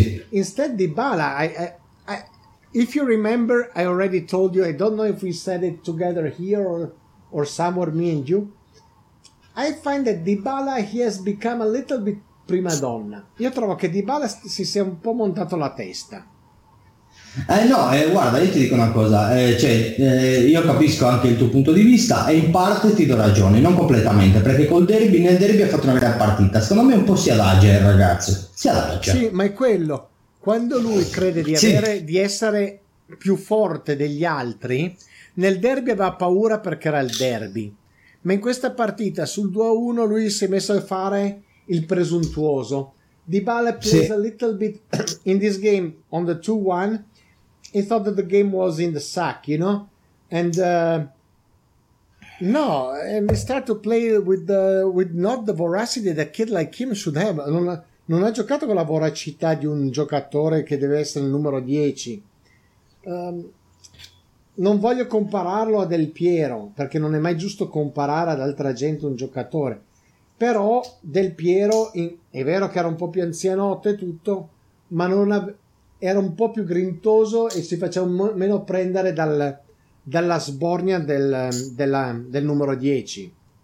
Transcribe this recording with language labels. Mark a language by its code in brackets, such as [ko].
[en] Instead Dybala, I if you remember, I already told you, I don't know if we said it together here or somewhere, me and you, I find that Dybala, he has become a little bit prima donna. [it] Io trovo che Dybala si sia un po' montato la testa. Guarda, io ti dico una cosa, io capisco anche il tuo punto di vista e in parte ti do ragione, non completamente, perché col derby, nel derby ha fatto una gran partita, secondo me un po' si adagia il ragazzo, si adagia. Sì, ma è quello, quando lui crede di avere, sì, di essere più forte degli altri, nel derby aveva paura perché era il derby, ma in questa partita sul 2-1 lui si è messo a fare il presuntuoso. [en] Dybala plays, sì, a little bit in this game on the 2-1. He thought that the game was in the sack, you know? And he started to play with not the voracity that a kid like him should have. [it] Non ha giocato con la voracità di un giocatore che deve essere il numero 10. Non voglio compararlo a Del Piero, perché non è mai giusto comparare ad altra gente un giocatore. Però Del Piero, è vero che era un po' più anzianotto e tutto, ma era un po' più grintoso e si faceva meno prendere dalla sbornia del numero 10.